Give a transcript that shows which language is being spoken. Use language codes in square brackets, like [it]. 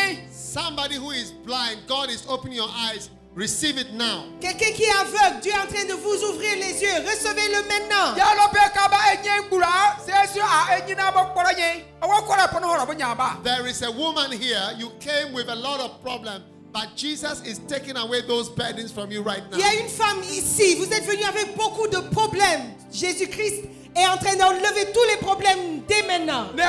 [en] Somebody who is blind, God is opening your eyes. Receive it now. [fr] Quelqu'un qui est aveugle, Dieu est en train de vous ouvrir les yeux. Recevez-le maintenant. [en] There is a woman here. You came with a lot of problems, but Jesus is taking away those burdens from you right now. [fr] Il y a une femme ici. Vous êtes venu avec beaucoup de problèmes. Jésus-Christ est en train d'enlever tous les problèmes dès maintenant.